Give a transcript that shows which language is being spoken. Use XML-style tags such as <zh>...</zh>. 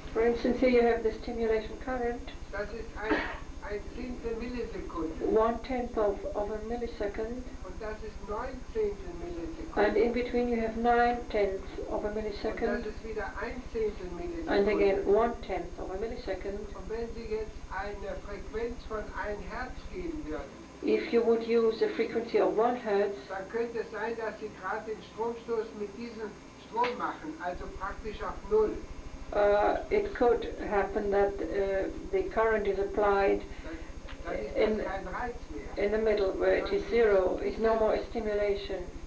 <en>For instance, here you have the stimulation current.</en> <de>Das ist ein zehntel Millisekunde.</de> <en>One tenth of a millisecond.</en> <de>Das ist 9/10 Millisekunden.</de> <en>And in between you have 9/10 of a millisecond.</en> <de>Und das ist wieder 1/10 Millisekunde.</de> <en>And again 1/10 of a millisecond.</en> <de>Und wenn Sie jetzt eine Frequenz von 1 Hertz geben würden.</de> <en>If you would use a frequency of 1 Hertz.</en> <de>Dann könnte es sein, dass Sie gerade den Stromstoß mit diesem Strom machen, also praktisch auf Null.</de> <en>It could happen that the current is applied in the middle where it is zero, is no more stimulation.</en>